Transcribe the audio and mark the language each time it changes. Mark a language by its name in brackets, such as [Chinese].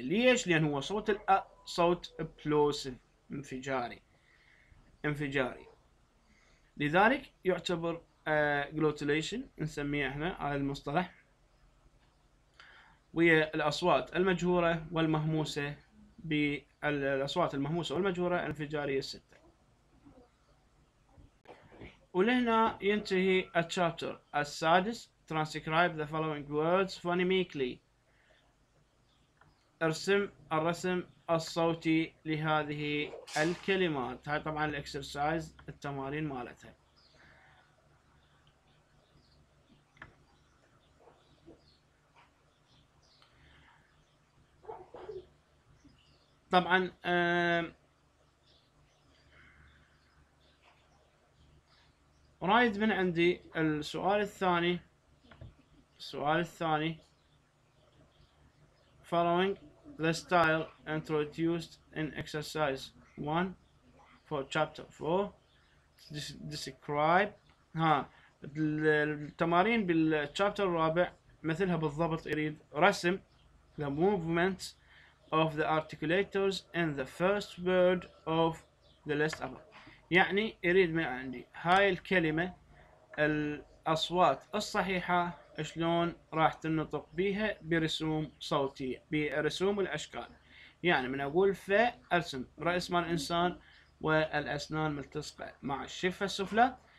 [Arabic] ليش؟ لأن هو صوت الأ صوت بلوسيف، انفجاري انفجاري، لذلك يعتبر glottalation نسميه احنا على المصطلح، ويا الأصوات المجهورة والمهموسة، بالأصوات المهموسة والمجهورة الانفجارية الستة. ولهنا ينتهي الشابتر السادس. [English] Transcribe the following words phonemically. [Arabic] ارسم الرسم الصوتي لهذه الكلمات. هاي طبعا الاكسرسايز التمارين مالتها. طبعا رايد من عندي السؤال الثاني. السؤال الثاني [English] following the style introduced in exercise 1 for chapter 4 describe. [Arabic] ها التمارين بالشابتر الرابع مثلها بالضبط، يريد رسم [English] the movements of the articulators in the first word of the list above. [Arabic] يعني يريد من عندي هاي الكلمة الأصوات الصحيحة شلون راح تنطق بيها برسوم صوتي، برسوم الأشكال. يعني من أقول ف أرسم رأس مال الإنسان والأسنان ملتصقة مع الشفة السفلى.